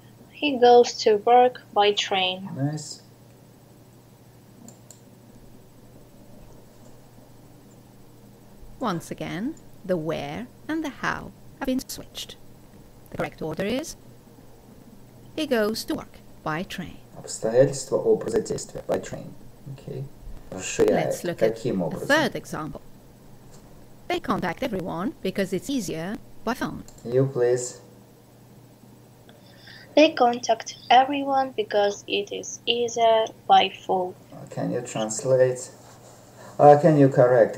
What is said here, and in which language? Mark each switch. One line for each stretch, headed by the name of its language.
English: He goes to work by train. Nice. Once again, the where and the how have been switched. The correct order is, he goes to work by train.
Russian: Обстоятельства образа действия
English: by train.
Russian: Okay. Расширяет.
English: Let's look at the third example. They contact everyone because it's easier by phone. You please. They contact everyone because it is easier by phone. Can you translate? Can you correct?